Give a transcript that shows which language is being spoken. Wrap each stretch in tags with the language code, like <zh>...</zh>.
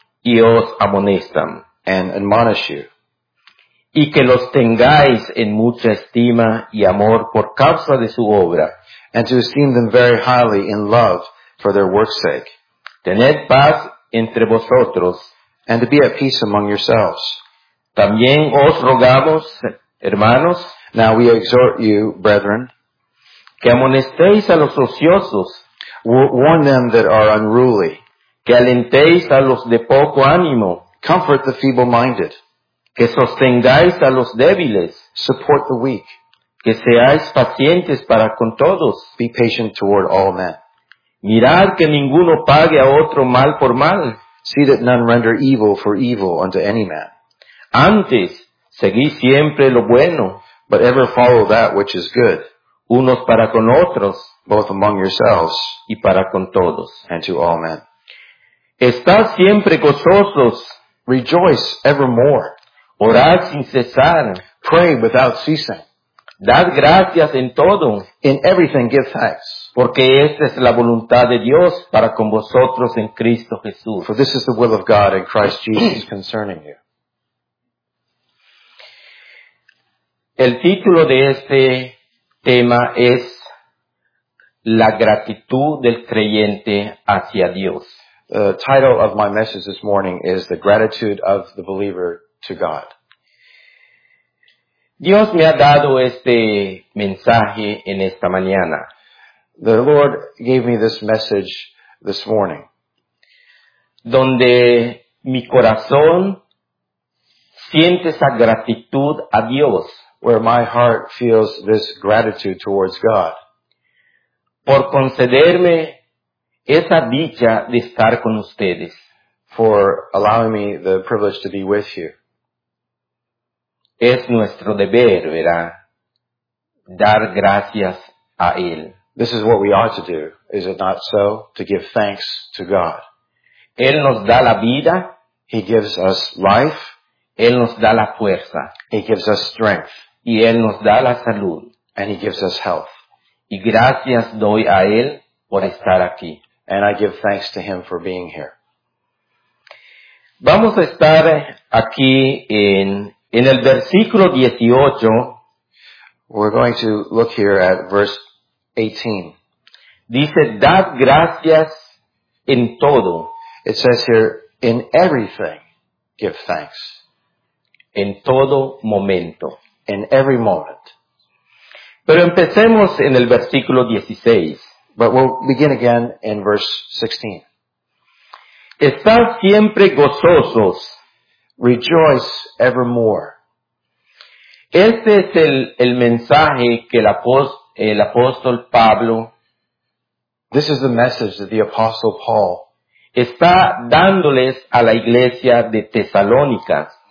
<es>y os amonestan,</es> <en>and admonish you,</en> <es>y que los tengáis en mucha estima y amor por causa de su obra.</es> <en>And to esteem them very highly in love for their work's sake.</en> <es>Tened paz entre vosotros.</es> <en>And to be at peace among yourselves.</en> <es>También os rogamos, hermanos.</es> <en>Now we exhort you, brethren.</en> <es>Que amonestéis a los ociosos.</es> <en>Warn them that are unruly.</en> <es>Que alentéis a los de poco ánimo.</es> <en>Comfort the feeble-minded.</en> <es>Que sostengáis a los débiles.</es> <en>Support the weak.</en> <es>Que seáis pacientes para con todos.</es> <en>Be patient toward all men.</en> <es>Mirad que ninguno pague a otro mal por mal.</es> <en>See that none render evil for evil unto any man.</en> <es>Antes, seguid siempre lo bueno.</es> <en>But ever follow that which is good.</en> <es>Unos para con otros.</es> <en>Both among yourselves.</en> <es>Y para con todos.</es> <en>And to all men.</en> <es>Estad siempre gozosos.</es> <en>Rejoice evermore.</en> <es>Orad sin cesar.</es> <en>Pray without ceasing.</en> <es>Dad gracias en todo.</es> <en>In everything give thanks.</en> <es>Porque esta es la voluntad de Dios para con vosotros en Cristo Jesús.</es> <en>For this is the will of God in Christ Jesus concerning you.</en> <es>El título de este tema es la gratitud del creyente hacia Dios.</es> <en>The title of my message this morning is The Gratitude of the Believer to God.</en> <es>Dios me ha dado este mensaje en esta mañana.</es> <en>The Lord gave me this message this morning.</en> <es>Donde mi corazón siente esa gratitud a Dios.</es> <en>Where my heart feels this gratitude towards God.</en> <es>Por concederme esa dicha de estar con ustedes.</es> <en>For allowing me the privilege to be with you.</en> <es>Es nuestro deber, ¿verdad? Dar gracias a Él.</es> <en>This is what we ought to do, is it not so? To give thanks to God.</en> <es>Él nos da la vida.</es> <en>He gives us life.</en> <es>Él nos da la fuerza.</es> <en>He gives us strength.</en> <es>Y Él nos da la salud.</es> <en>And He gives us health.</en> <es>Y gracias doy a Él por estar aquí.</es> <en>And I give thanks to Him for being here.</en> <es>Vamos a estar aquí en el versículo 18.</es> <en>We're going to look here at verse 18.</en> <es>Dice, dad gracias en todo.</es> <en>It says here, in everything, give thanks.</en> <es>En todo momento.</es> <en>In every moment.</en> <es>Pero empecemos en el versículo 16.</es> <en>But we'll begin again in verse 16.</en> <es>Estad siempre gozosos.</es> <en>Rejoice evermore.</en> <es>Este es el mensaje que el apóstol Pablo.</es> <en>This is the message that the apostle Paul</en> <es>está dándoles a la iglesia de Tesalónica.</es>